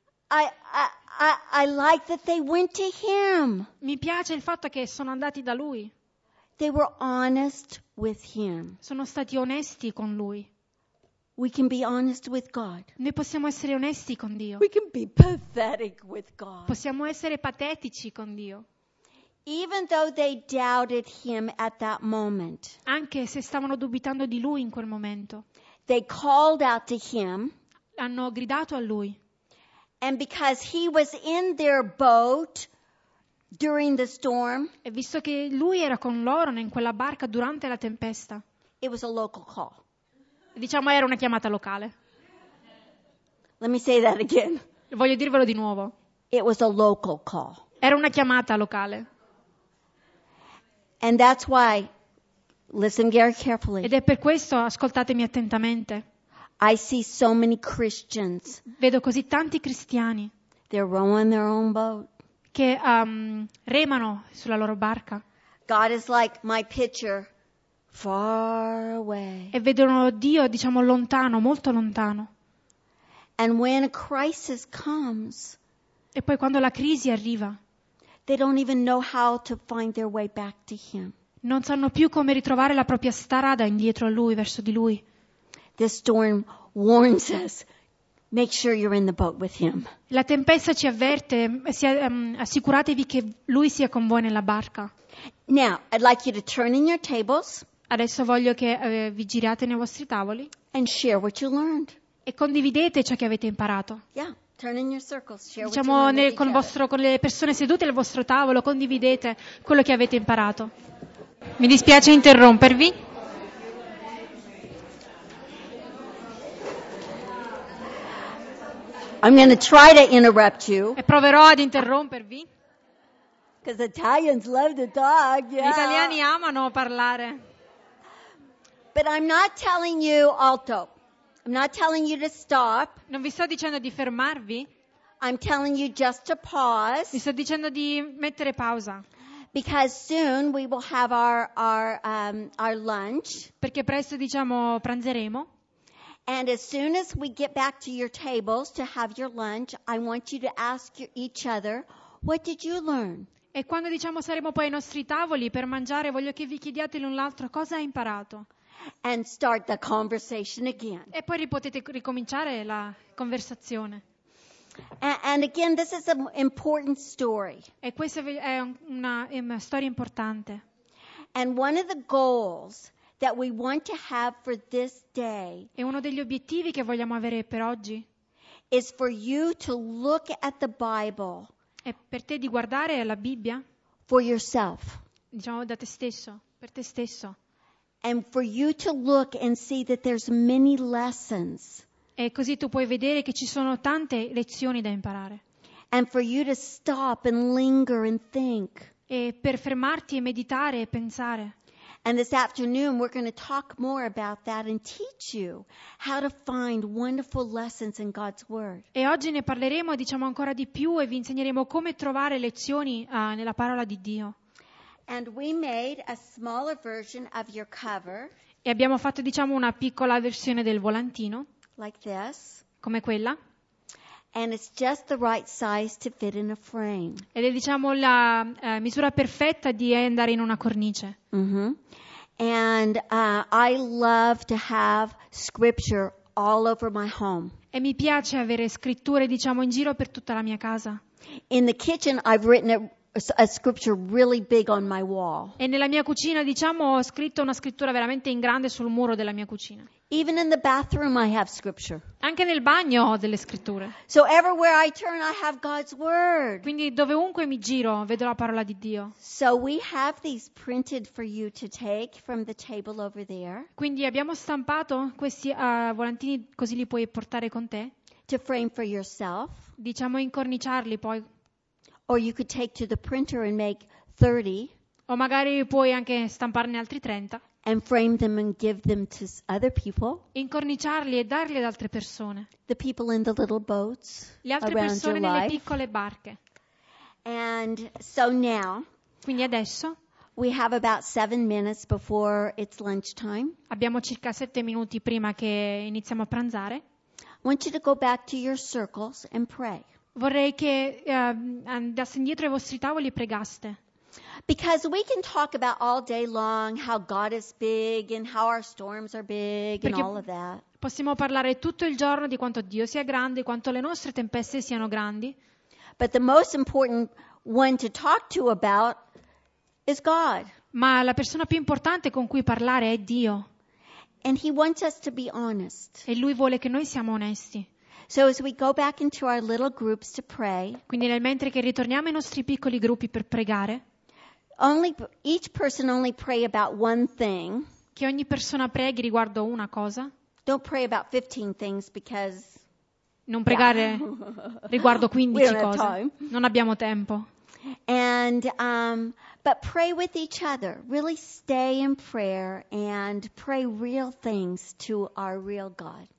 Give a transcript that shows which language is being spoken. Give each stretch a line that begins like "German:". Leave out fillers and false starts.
English: I like that they went to him.
Italian: Mi piace il fatto che sono andati da lui.
English: They were honest with him.
Italian: Sono stati onesti con lui.
English: We can be honest with God.
Italian: Noi possiamo essere onesti con Dio.
English: We can be pathetic with God.
Italian: Possiamo essere patetici con Dio.
English: Even though they doubted him at that moment.
Italian: Anche se stavano dubitando di lui in quel momento.
English: They called out to him.
Italian: Hanno gridato a lui.
English: And because he was in their boat during the storm,
Italian: e visto che lui era con loro in quella barca durante la tempesta,
English: it was a local call.
Italian: Diciamo era una chiamata locale.
English: Let me say that again.
Italian: Voglio dirvelo di nuovo.
English: It was a local call.
Italian: Era una chiamata locale.
English: And that's why, listen very carefully.
Italian: Ed è per questo, ascoltatemi attentamente.
English: I see so many Christians.
Italian: Vedo così tanti cristiani.
English: They're rowing their own boat.
Italian: Che remano sulla loro barca.
English: God is like my picture, far away.
Italian: E vedono Dio, diciamo, lontano, molto lontano.
English: And when a crisis comes,
Italian: e poi quando la crisi arriva,
English: they don't even know how to find their way back to him.
Italian: Non sanno più come ritrovare la propria strada indietro a lui, verso di lui.
English: This storm warns us. Make sure you're in the boat with him.
Italian: La tempesta ci avverte, assicuratevi che lui sia con voi nella barca.
English: Now, I'd like you to turn in your tables.
Italian: Adesso voglio che vi giriate nei vostri tavoli.
English: And share what you learned.
Italian: E condividete ciò che avete imparato.
English: Yeah. Turn in your circles. Share
Italian: diciamo con le persone sedute al vostro tavolo, condividete quello che avete imparato. Mi dispiace interrompervi.
English: I'm going to try to interrupt you.
Italian: E proverò ad interrompervi.
English: Because Italians love to talk, yeah.
Italian: Gli italiani amano parlare.
English: But I'm not telling you alto. I'm not telling you to stop.
Italian: Non vi sto dicendo di fermarvi.
English: I'm telling you just to pause.
Italian: Vi sto dicendo di mettere pausa.
English: Because soon we will have our lunch.
Italian: Perché presto diciamo pranzeremo.
English: And as soon as we get back to your tables to have your lunch, I want you to ask each other, what did you learn?
Italian: E quando diciamo saremo poi ai nostri tavoli per mangiare, voglio che vi chiediate l'un l'altro cosa hai imparato.
English: And start the conversation again.
Italian: E poi potete ricominciare la conversazione.
English: And again, this is an important story.
Italian: E questa è una storia importante.
English: And one of the goals that we want to have for this day.
Italian: E uno degli obiettivi che vogliamo avere per oggi.
English: Is for you to look at the Bible.
Italian: È per te di guardare la Bibbia.
English: For yourself.
Italian: Diciamo da te stesso, per te stesso.
English: And for you to look and see that there's many lessons.
Italian: E così tu puoi vedere che ci sono tante lezioni da imparare.
English: And for you to stop and linger and think.
Italian: E per fermarti e meditare e pensare.
English: And this afternoon we're going to talk more about that and teach you how to find wonderful lessons in God's word.
Italian: E oggi ne parleremo, diciamo ancora di più, e vi insegneremo come trovare lezioni nella parola di Dio.
English: And we made a smaller version of your cover.
Italian: E abbiamo fatto diciamo una piccola versione del volantino.
English: Like this.
Italian: Come quella.
English: And it's just the right size to fit in a frame.
Italian: Ed è diciamo la misura perfetta di andare in una cornice. Mm-hmm.
English: And I love to have scripture all over my home.
Italian: E mi piace avere scritture diciamo in giro per tutta la mia casa.
English: In the kitchen I've written a scripture really big on my wall.
Italian: E nella mia cucina diciamo ho scritto una scrittura veramente in grande sul muro della mia cucina.
English: Even in the bathroom I have scripture.
Italian: Anche nel bagno ho delle scritture.
English: So everywhere I turn I have God's word.
Italian: Quindi dovunque mi giro vedo la parola di Dio.
English: So we have these printed for you to take from the table over there.
Italian: Quindi abbiamo stampato questi volantini così li puoi portare con te.
English: To frame for yourself.
Italian: Diciamo incorniciarli poi.
English: Or you could take to the printer and make 30.
Italian: O magari puoi anche stamparne altri 30.
English: And frame them and give them to other people.
Italian: Incorniciarli e darli ad altre persone.
English: The people in the little boats.
Italian: Le altre persone nelle piccole barche.
English: And so now.
Italian: Quindi adesso.
English: We have about 7 minutes before it's lunchtime.
Italian: Abbiamo circa 7 minuti prima che iniziamo a pranzare.
English: I want you to go back to your circles and pray.
Italian: Vorrei che andasse indietro ai vostri tavoli e pregaste.
English: Because we can talk about all day long how God is big and how our storms are big and all of that.
Italian: Possiamo parlare tutto il giorno di quanto Dio sia grande, quanto le nostre tempeste siano grandi.
English: But the most important one to talk to about is God.
Italian: Ma la persona più importante con cui parlare è Dio.
English: And he wants us to be honest.
Italian: E lui vuole che noi siamo onesti.
English: So as we go back into our little groups to pray.
Italian: Quindi nel mentre che ritorniamo ai nostri piccoli gruppi per pregare.
English: Each person only pray about one thing.
Italian: Che ogni persona preghi riguardo una cosa.
English: Don't pray about 15 things because.
Italian: Non pregare riguardo 15 cose. Non abbiamo tempo.
English: And but pray with each other. Really stay in prayer and pray real things to our real God.